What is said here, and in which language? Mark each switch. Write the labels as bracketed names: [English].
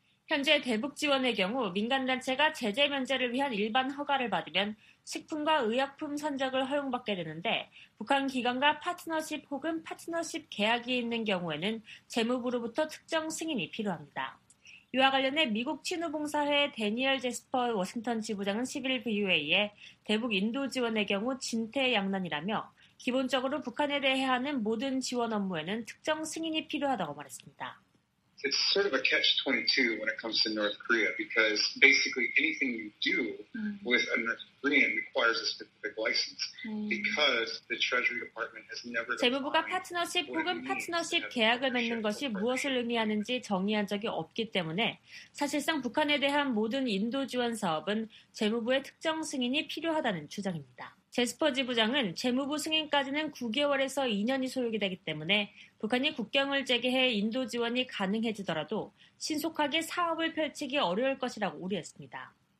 [Korean] 현재 대북 지원의 경우 민간단체가 제재 면제를 위한 일반 허가를 받으면 식품과 의약품 선적을 허용받게 되는데 북한 기관과 파트너십 혹은 파트너십 계약이 있는 경우에는 재무부로부터 특정 승인이 필요합니다. 이와 관련해 미국 친우봉사회의 대니얼 제스퍼 워싱턴 지부장은 11일 VOA에 대북 인도 지원의 경우 진퇴양난이라며 기본적으로 북한에 대해 하는 모든 지원 업무에는 특정 승인이 필요하다고 말했습니다. [English] It's sort of a catch-22 when it comes to North Korea because basically anything you do with a North Korean requires a specific license because the Treasury Department has never. [Korean] 재무부가 파트너십 혹은 파트너십 계약을 맺는 것이 무엇을 의미하는지 정의한 적이 없기 때문에 사실상 북한에 대한 모든 인도 지원 사업은 재무부의 특정 승인이 필요하다는 주장입니다. 제스퍼 지부장은 재무부 승인까지는 9개월에서 2년이 소요가 되기 때문에 북한이 국경을 재개해 인도 지원이 가능해지더라도 신속하게 사업을 펼치기 어려울 것이라고 우려했습니다.